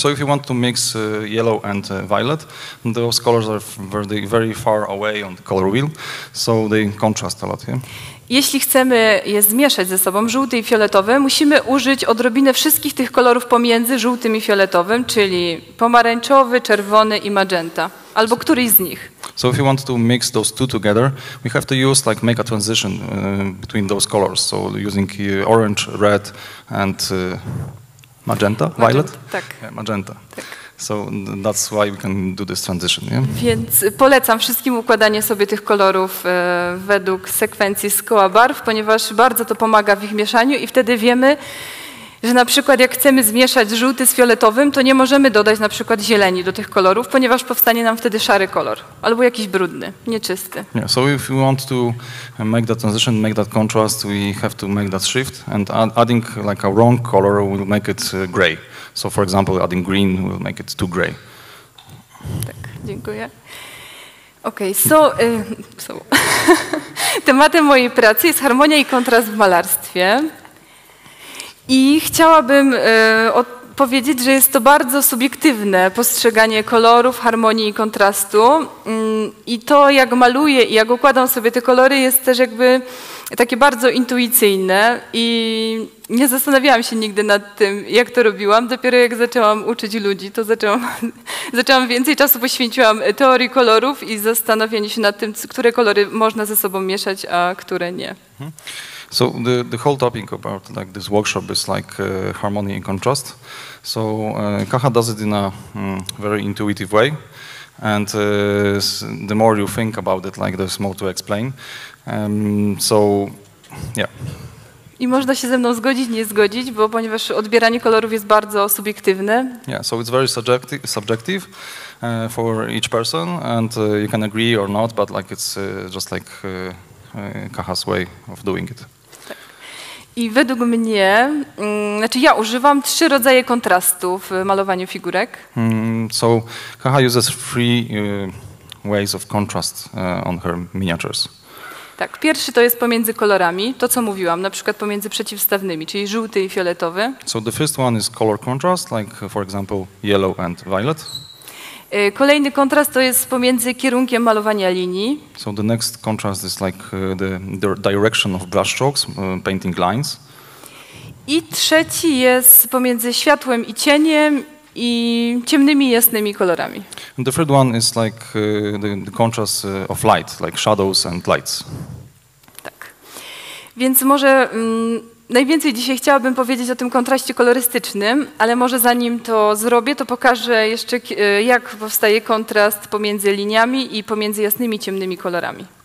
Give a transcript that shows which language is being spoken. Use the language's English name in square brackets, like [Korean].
[English] So if you want to mix yellow and violet, those colors are very, very far away on the color wheel, so they contrast a lot. Yeah? [Polish] Jeśli chcemy je zmieszać ze sobą, żółty i fioletowy, musimy użyć odrobinę wszystkich tych kolorów pomiędzy żółtym i fioletowym, czyli pomarańczowy, czerwony i magenta, albo któryś z nich. [English] So if you want to mix those two together, we have to use like make a transition between those colors. So using orange, red and magenta, violet. [Polish] Tak. [English] Yeah, magenta. [Polish] Tak. [English] So that's why we can do this transition, yeah? [Polish] Więc polecam wszystkim układanie sobie tych kolorów według sekwencji z koła barw, ponieważ bardzo to pomaga w ich mieszaniu i wtedy wiemy, że na przykład jak chcemy zmieszać żółty z fioletowym, to nie możemy dodać na przykład zieleni do tych kolorów, ponieważ powstanie nam wtedy szary kolor albo jakiś brudny, nieczysty. [English] Yeah, so if we want to make that transition, make that contrast, we have to make that shift and adding like a wrong color will make it gray. So for example, adding green will make it too gray. [Polish] Tak, dziękuję. Okej, [English] okay, so. [Polish] Tematem mojej pracy jest harmonia i kontrast w malarstwie. I chciałabym powiedzieć, że jest to bardzo subiektywne postrzeganie kolorów, harmonii i kontrastu. I to, jak maluję i jak układam sobie te kolory, jest też jakby takie bardzo intuicyjne. I nie zastanawiałam się nigdy nad tym, jak to robiłam. Dopiero jak zaczęłam uczyć ludzi, to zaczęłam więcej czasu poświęciłam teorii kolorów i zastanawianiu się nad tym, które kolory można ze sobą mieszać, a które nie. [English] So the whole topic about like this workshop is like harmony and contrast. So Kaha does it in a very intuitive way, and the more you think about it, like the more to explain. So yeah. [Polish] I można się ze mną zgodzić, nie zgodzić, bo ponieważ odbieranie kolorów jest bardzo subiektywne. [English] Yeah, so it's very subjective for each person, and you can agree or not, but like it's just like Kaha's way of doing it. [Polish] I według mnie, znaczy ja używam trzy rodzaje kontrastu w malowaniu figurek. [English] So Kaha uses three ways of contrast on her miniatures. [Polish] Tak, pierwszy to jest pomiędzy kolorami, to co mówiłam, na przykład pomiędzy przeciwstawnymi, czyli żółty i fioletowy. [English] So the first one is color contrast, like for example yellow and violet. [Polish] Kolejny kontrast to jest pomiędzy kierunkiem malowania linii. [English] So the next contrast is like the direction of brush strokes, painting lines. [Polish] I trzeci jest pomiędzy światłem i cieniem i ciemnymi i jasnymi kolorami. [English] And the third one is like the contrast of light, like shadows and lights. [Polish] Tak. Więc może najwięcej dzisiaj chciałabym powiedzieć o tym kontraście kolorystycznym, ale może zanim to zrobię, to pokażę jeszcze, jak powstaje kontrast pomiędzy liniami i pomiędzy jasnymi, ciemnymi kolorami.